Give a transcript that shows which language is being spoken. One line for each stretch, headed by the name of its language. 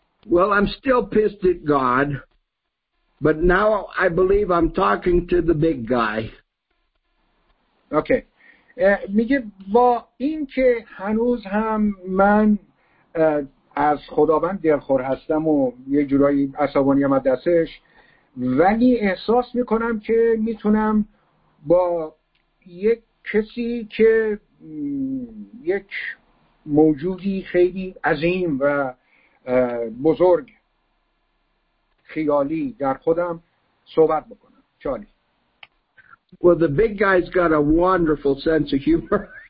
English: Well, I'm still pissed at God, but now I believe I'm talking to the big guy. Okay.
Persian: میگه با این که هنوز هم من از خداوند دلخور هستم و یه جورایی عصبانیم از دستش، ولی احساس میکنم که میتونم با یک کسی که یک موجودی خیلی عظیم و بزرگ خیالی در خودم صحبت بکنم. چالی.
English: Well, the big guy's got a wonderful sense of humor.